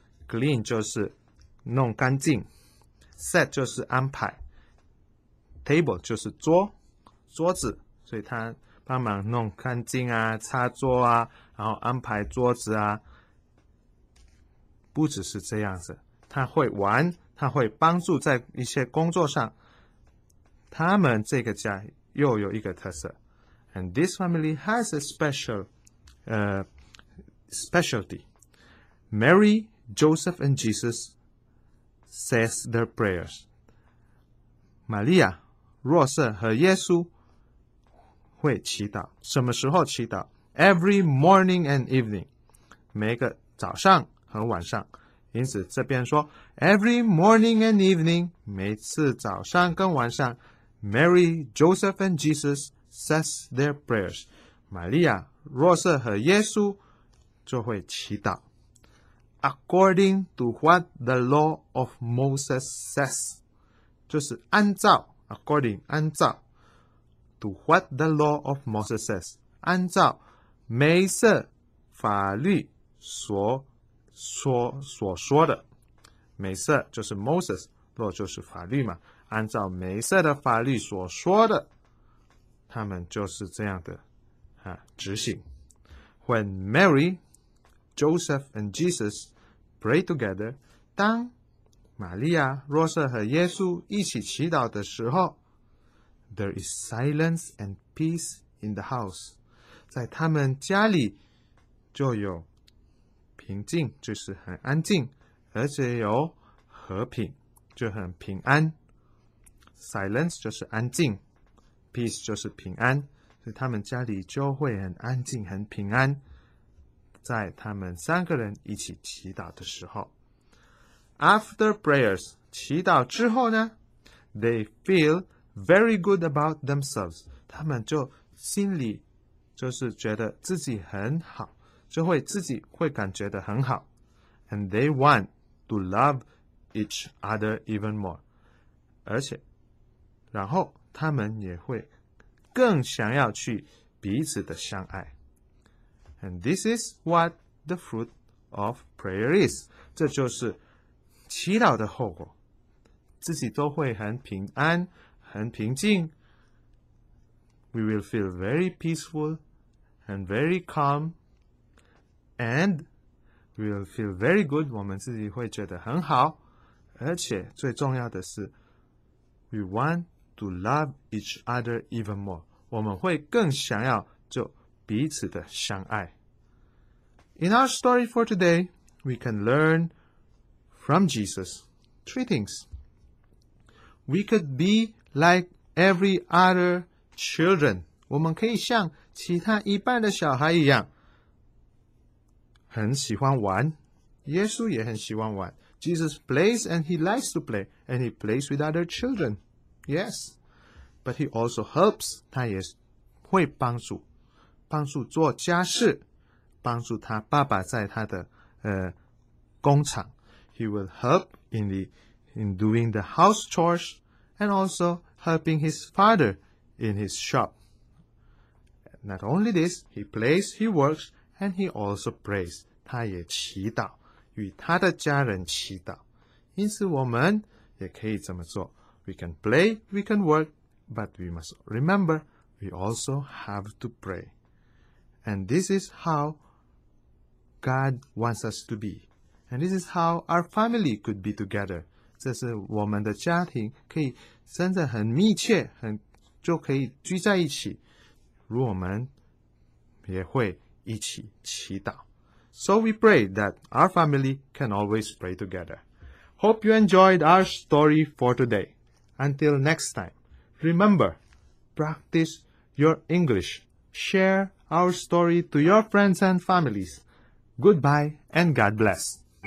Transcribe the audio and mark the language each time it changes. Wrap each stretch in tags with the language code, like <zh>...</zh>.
<zh>clean 就是弄干净， set 就是安排， table 就是桌，桌子。所以他帮忙弄干净啊，擦桌啊，然后安排桌子啊。不只是这样子，他会玩，他会帮助在一些工作上。他们这个家又有一个特色，</zh> <en>And this family has a special specialty. Mary, Joseph and Jesus says their prayers.</en> <zh>玛利亚、若瑟和耶稣会祈祷。什么时候祈祷？</zh> <en>Every morning and evening.</en> <zh>每个早上和晚上。</zh> <en>因此这边说 Every morning and evening，</en> <zh>每次早上跟晚上，</zh> <en>Mary, Joseph and Jesus says their prayers。</en> <zh>玛利亚、若瑟和耶稣就会祈祷。</zh> <en>According to what the law of Moses says，</en> <zh>就是按照，</zh> <en>according 按照， to what the law of Moses says，</en> <zh>按照梅瑟法律所说的。梅瑟就是 Moses， 若就是法律嘛，按照梅瑟的法律所说的，他们就是这样的啊执行。</zh> <en>When Mary, Joseph and Jesus pray together，</en> <zh>当玛利亚、若瑟和耶稣一起祈祷的时候，</zh> <en>There is silence and peace in the house，</en> <zh>在他们家里就有平静，就是很安静，而且有和平，就很平安。 Silence 就是安静， Peace 就是平安，所以他们家里就会很安静很平安，在他们三个人一起祈祷的时候。</zh> <en>After prayers，</en> <zh>祈祷之后呢，</zh> <en>They feel very good about themselves，</en> <zh>他们就心里就是觉得自己很好，就会自己会感觉得很好。</zh> <en>And they want to love each other even more，</en> <zh>而且然后他们也会更想要去彼此的相爱。</zh> <en>And this is what the fruit of prayer is，</en> <zh>这就是祈祷的后果，自己都会很平安很平静。</zh> <en>We will feel very peaceful and very calmAnd we will feel very good，</en> <zh>我们自己会觉得很好，而且最重要的是</zh> <en>We want to love each other even more，</en> <zh>我们会更想要就彼此的相爱。</zh> <en>In our story for today， we can learn from Jesus three things. We could be like every other children，</en> <zh>我们可以像其他一般的小孩一样很喜欢玩，耶稣也很喜欢玩。</zh> <en>Jesus plays and he likes to play and he plays with other children. Yes, but he also helps.</en> <zh>他也会帮助，帮助做家事，帮助他爸爸在他的工厂。</zh> <en>He will help in doing the house chores and also helping his father in his shop. Not only this, he plays, he works. And he also prays.</en> <zh>他也祈祷，与他的家人祈祷。因此我们也可以这么做。</zh> <en>We can play, we can work, but we must remember, we also have to pray. And this is how God wants us to be. And this is how our family could be together.</en> <zh>这是我们的家庭可以真的很密切，很就可以聚在一起。如我们也会一起祈祷。</zh> <en>So we pray that our family can always pray together. Hope you enjoyed our story for today. Until next time, remember, practice your English. Share our story to your friends and families. Goodbye and God bless.</en>